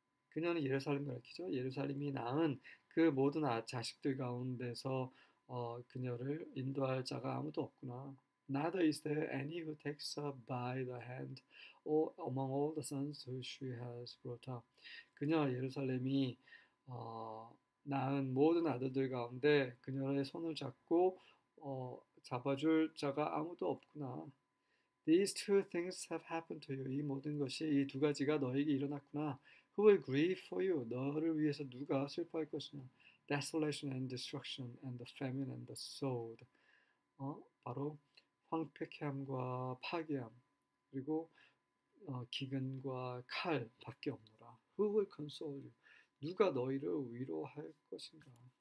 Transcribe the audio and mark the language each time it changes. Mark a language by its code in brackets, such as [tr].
[ko] 그녀는 예루살렘을 가리키죠. 예루살렘이 낳은 그 모든 자식들 가운데서 그녀를 인도할 자가 아무도 없구나. [en] Neither is there any who takes her by the hand or among all the sons who she has brought up. [ko] 그녀 예루살렘이 낳은 모든 아들들 가운데 그녀의 손을 잡고 잡아줄 자가 아무도 없구나. [en] These two things have happened to you. [ko] 이 모든 것이 이두 가지가 너에게 일어났구나. [en] Who will grieve for you? [ko] 너를 위해서 누가 슬퍼할 것이냐? [en] Desolation and destruction and the famine and the sword. [ko] 바로 황폐함과 파괴함 그리고 기근과 칼밖에 없노라. [en] Who will console you? [ko] 누가 너희를 위로할 것인가?